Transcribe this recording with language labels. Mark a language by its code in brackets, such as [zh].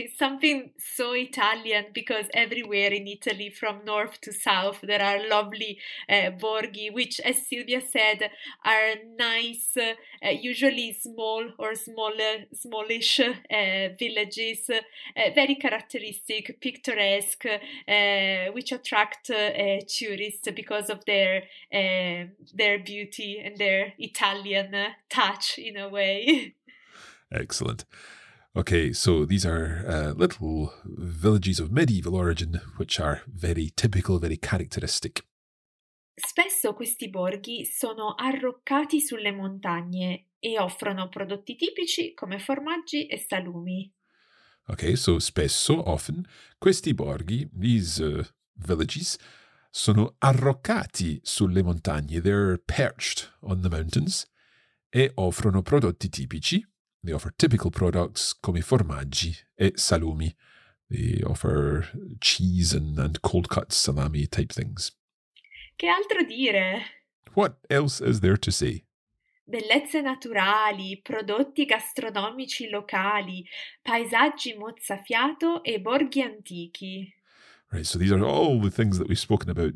[en] It's something so Italian, because everywhere in Italy, from north to south, there are lovely borghi, which, as Silvia said, are nice, usually small or smallish villages, very characteristic, picturesque, which attract tourists because of their beauty and their Italian touch, in a way. Excellent. Okay, so these are little villages of medieval origin, which are very typical, very characteristic. [it] Spesso questi borghi sono arroccati sulle montagne e offrono prodotti tipici come formaggi e salumi. Okay, so spesso, often, questi borghi, [en] these villages, [it] sono arroccati sulle montagne. [en] They're perched on the mountains [it] e offrono prodotti tipici. [en] They offer typical products [it] come formaggi e salumi. [en] They offer cheese and cold cut salami type things. [it] Che altro dire? [en] What else is there to say? [it] Bellezze naturali, prodotti gastronomici locali, paesaggi mozzafiato e borghi antichi. [en] Right, so these are all the things that we've spoken about.